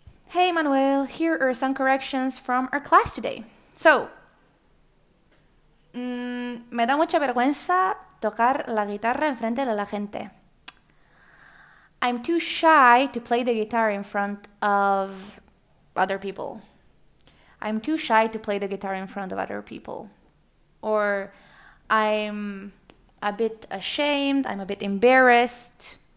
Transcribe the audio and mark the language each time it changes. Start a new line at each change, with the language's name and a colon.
English: Hey Manuel, here are some corrections from our class today.
Spanish: So, me da mucha vergüenza tocar la guitarra en frente de la gente.
English: I'm too shy to play the guitar in front of other people. I'm too shy to play the guitar in front of other people. Or I'm a bit ashamed, I'm a bit embarrassed.